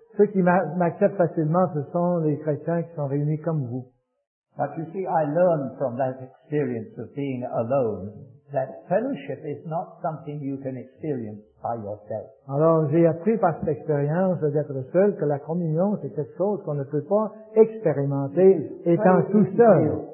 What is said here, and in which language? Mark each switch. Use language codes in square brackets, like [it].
[fr] Ceux qui m'acceptent facilement, ce sont les chrétiens qui sont réunis comme vous. [en] But you see, I learned from that experience of being alone that fellowship is not something you can experience by yourself. [fr] Alors, j'ai appris par cette expérience d'être seul que la communion, c'est quelque chose qu'on ne peut pas expérimenter étant tout seul.